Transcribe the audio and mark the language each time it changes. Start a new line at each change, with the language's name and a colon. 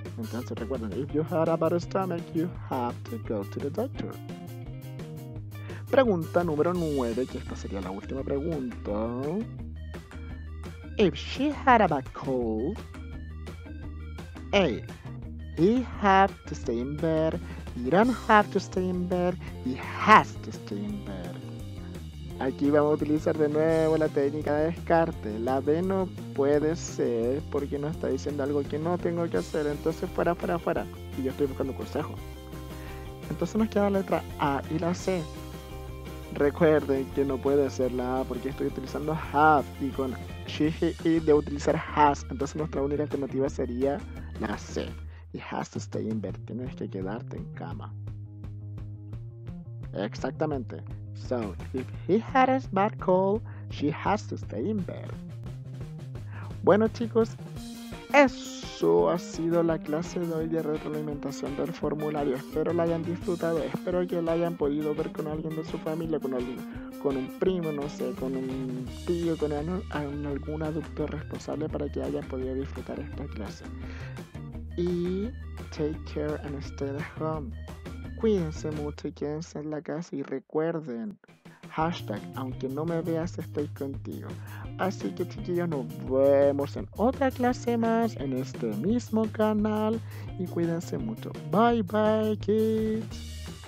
Spanish: Entonces recuerden,
English: if you had a bad stomach, you have to go to the doctor.
Spanish: Pregunta número 9, que esta sería la última pregunta.
English: If she had a bad cold, A. He have to stay in bed. He don't have to stay in bed. He has to stay in bed.
Spanish: Aquí vamos a utilizar de nuevo la técnica de descarte. La B no puede ser porque nos está diciendo algo que no tengo que hacer. Entonces fuera. Y yo estoy buscando consejo. Entonces nos queda la letra A y la C. Recuerden que no puede ser la A porque estoy utilizando have. Y con she, he, it debo utilizar has. Entonces nuestra única alternativa sería la C.
English: Y has to stay in bed.
Spanish: Tienes que quedarte en cama. Exactamente.
English: So, if he had a bad cold, she has to stay in bed.
Spanish: Bueno, chicos, eso ha sido la clase de hoy de retroalimentación del formulario. Espero la hayan disfrutado. Espero que la hayan podido ver con alguien de su familia, con un primo, no sé, con un tío, con algún adulto responsable para que hayan podido disfrutar esta clase.
English: Y take care and stay at home.
Spanish: Cuídense mucho y quédense en la casa y recuerden, hashtag, aunque no me veas, estoy contigo. Así que chiquillos, nos vemos en otra clase más, en este mismo canal, y cuídense mucho.
English: Bye bye, kids.